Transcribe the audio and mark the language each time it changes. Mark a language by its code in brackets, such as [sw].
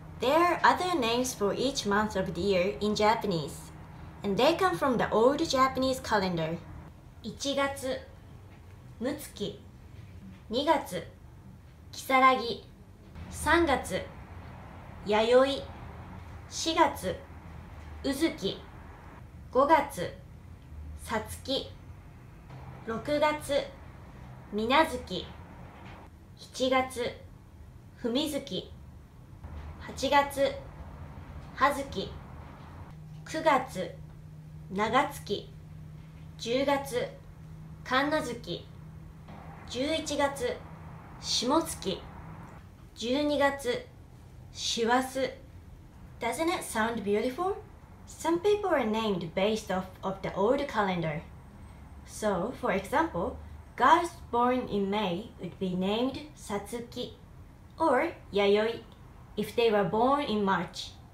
[en] There are other names for each month of the year in Japanese. And they come from the old Japanese calendar. [ja] 1月むつき、2月きさらぎ、3月やよい、4月うずき、5月さつき、 6月みなづき、7月ふみづき、8月はづき、9月ながつき、10月かんなづき、11月しもつき、12月しわす。 [en] Doesn't it sound beautiful? Some people are named based off of the old calendar. So, for example, girls born in May would be named Satsuki or Yayoi if they were born in March.